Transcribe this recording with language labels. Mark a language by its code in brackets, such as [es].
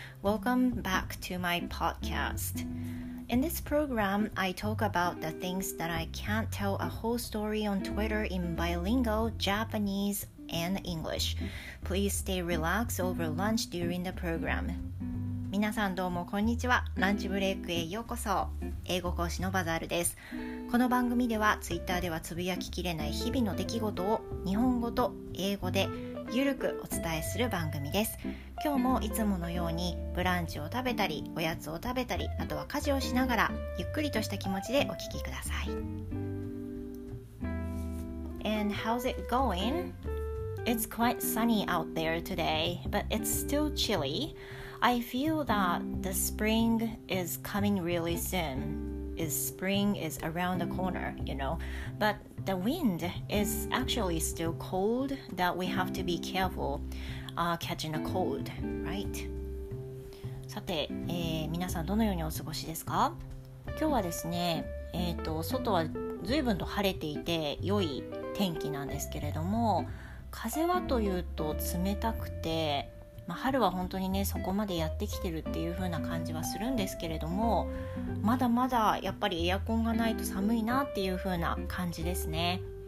[en] Welcome back to my podcast. In this program, I talk about the things that I can't tell a whole story on Twitter in bilingual, Japanese, and English. Please stay relaxed over lunch during the program. [ja] 皆さんどうもこんにちは。ランチブレイクへようこそ。英語講師のバザールです。この番組では、ツイッターではつぶやききれない日々の出来事を日本語と英語でゆるくお伝えする番組です。今日もいつものようにブランチを食べたり、おやつを食べたり、あとは家事をしながらゆっくりとした気持ちでお聞きください。 [en] And how's it going? It's quite sunny out there today, but it's still chilly. I feel that the spring is coming really soon. Spring is around the corner, you know. But the wind is actually still cold that we have to be careful, catching a cold, right? [ja] さて、皆さんどのようにお過ごしですか？今日はですね、外は随分と晴れていて良い天気なんですけれども、風はというと冷たくて、まあ、春は本当にねそこまでやってきてるっていう風な感じはするんですけれども、まだまだやっぱりエアコンがないと寒いなっていう風な感じですね。